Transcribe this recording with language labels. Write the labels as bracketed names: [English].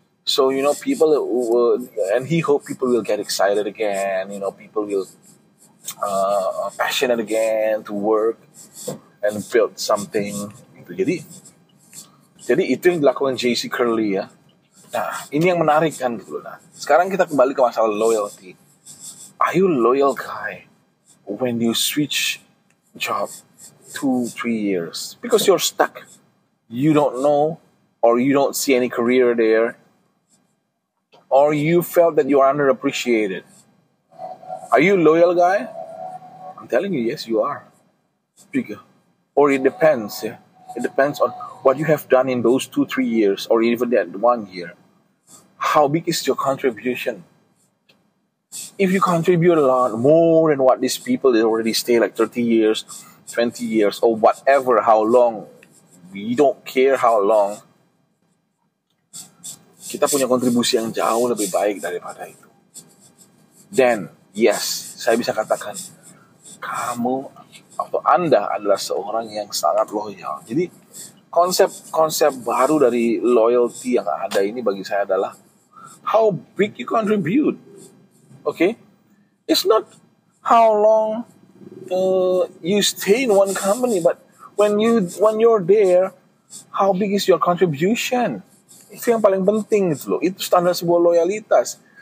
[English] So, you know, people will, and he hoped people will get excited again, you know, people will passionate again to work and build something. [Indonesian] Jadi itu yang dilakukan JC Curley ya. Nah, ini yang menarik kan. Nah, sekarang kita kembali ke masalah loyalty. [English] Are you a loyal guy when you switch job 2-3 years? Because you're stuck. You don't know, or you don't see any career there, or you felt that you are underappreciated. Are you a loyal guy? I'm telling you, yes, you are. Bigger. Or it depends. Yeah? It depends on what you have done in those 2-3 years, or even that 1 year. How big is your contribution? If you contribute a lot more than what these people that already stay like 30 years, 20 years, or whatever, how long, we don't care how long, [Indonesian] kita punya kontribusi yang jauh lebih baik daripada itu. [English] Then, yes, [Indonesian] saya bisa katakan, kamu atau Anda adalah seorang yang sangat loyal. Jadi, konsep-konsep baru dari loyalty yang ada ini bagi saya adalah, [English] how big you contribute. Okay, it's not how long you stay in one company, but when you're there, how big is your contribution? [Indonesian] Itu yang paling penting itu loh. Itu standar sebuah loyalitas.